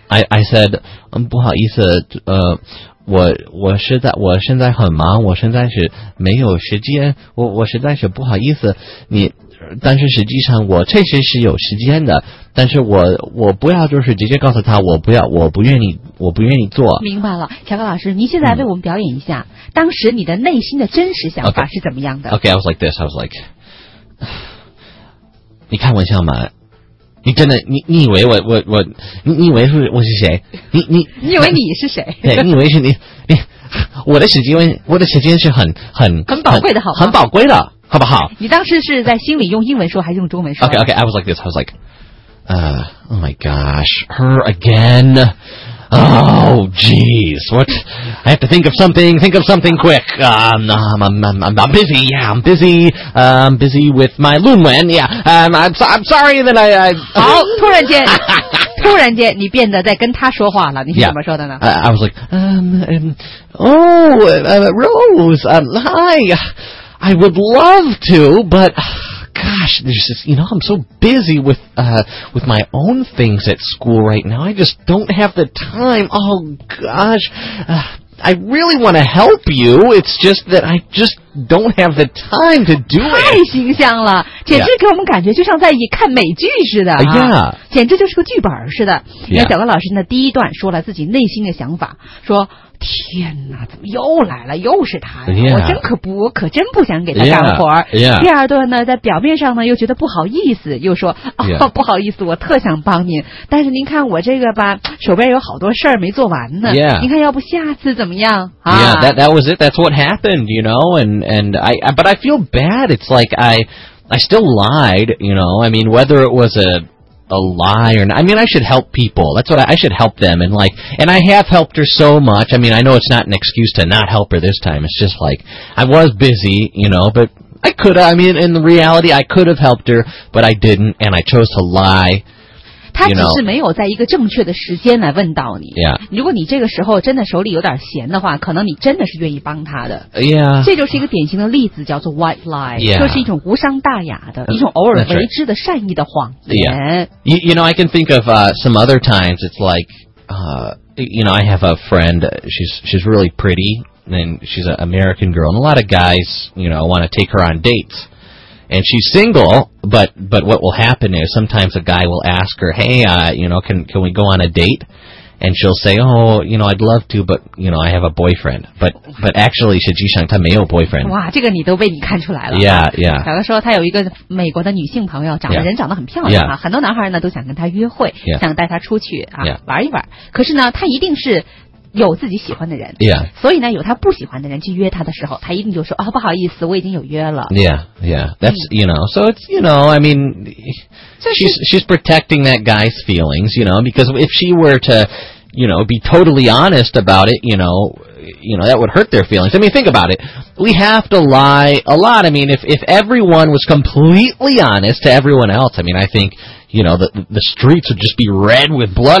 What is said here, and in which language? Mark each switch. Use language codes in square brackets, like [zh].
[zh] I said, 不好意思，我是在我现在很忙，我现在是没有时间，我实在是不好意思，你。但是实际上我确实是有时间的，但是我不要就是直接告诉他我不要，我不愿意做。明白了，乔克老师，您现在为我们表演一下，当时你的内心的真实想法是怎么样的 [en] ？Okay, I was like this. I was like, 你开玩笑吗？ [zh] 你真的你以为我你以为是我是谁？你以为你是谁？对，你以为是你我的时间是很宝贵的，好吗？很宝贵的。好不好？你当时是在心里用英文说还是用中文说 [en] ？Okay, I was like this. I was like, oh my gosh, her again. Oh, jeez, what? I have to think of something. Think of something quick. I'm busy. Yeah, I'm busy. I'm busy with my Lun Wen. Yeah, I'm sorry that I [zh] 好，突然间你变得在跟他说话了，你是怎么说的呢 [en] ？I was like, Rose, hi. I would love to, but gosh, there's this, you know, I'm so busy with my own things at school right now. I just don't have the time. Oh gosh, I really want to help you. It's just that I just don't have the time to do it. [zh] 太形象了，简直给我们感觉就像在看美剧似的啊！ [en] Yeah. [zh] 简直就是个剧本似的。那小乐老师呢？第一段说了自己内心的想法，说。天哪，怎么又来了？又是他呀！ [en] Yeah. [zh] 我可真不想给他干活儿。 [en] Yeah. [zh] 第二段呢，在表面上呢，又觉得不好意思，又说、 [en] yeah. [zh] 哦、不好意思，我特想帮您，但是您看我这个吧，手边有好多事儿没做完呢。 [en] Yeah. [zh] 您看，要不下次怎么样？ [en] Yeah, that was it. That's what happened, you know. But I feel bad. It's like I still lied, you know. I mean, whether it was a lie or not. I mean, I should help people. That's what I should help them. And I have helped her so much. I mean, I know it's not an excuse to not help her this time. It's just like, I was busy, you know, but I could, I mean, in reality, I could have helped her, but I didn't. And I chose to lie. [zh] 他只是没有在一个正确的时间来问到你。 [en] Yeah. [zh] 如果你这个时候真的手里有点闲的话，可能你真的是愿意帮他的。 [en] Yeah. [zh] 这就是一个典型的例子，叫做 white lie， 就、 [en] yeah. [zh] 是一种无伤大雅的、一种偶尔为之的善意的谎言。 [en] Yeah. You know, I can think of some other times. It's like, you know, I have a friend. She's really pretty, and she's an American girl, and a lot of guys, you know, want to take her on dates. And she's single, but what will happen is sometimes a guy will ask her, hey, you know, can we go on a date? And she'll say, oh, you know, I'd love to, but, you know, I have a boyfriend. [zh] But actually, 实际上她没有 boyfriend. 哇，这个你都被你看出来了。 [en] Yeah, yeah. [zh] 小哥说她有一个美国的女性朋友，长得人长得很漂亮、 [en] yeah. [zh] 啊，很多男孩呢都想跟她约会， [en] yeah. [zh] 想带她出去啊、 [en] yeah. [zh] 玩一玩。可是呢，她一定是。有自己喜欢的人、 [en] yeah. [zh] 所以呢有他不喜欢的人去约他的时候他一定就说、哦、不好意思我已经有约了 [en] yeah yeah that's you know so it's you know I mean she's protecting that guy's feelings you know because if she were to you know be totally honest about it you know that would hurt their feelings I mean think about it we have to lie a lot I mean if everyone was completely honest to everyone else I mean I thinkYou know, the streets would just be red with blood.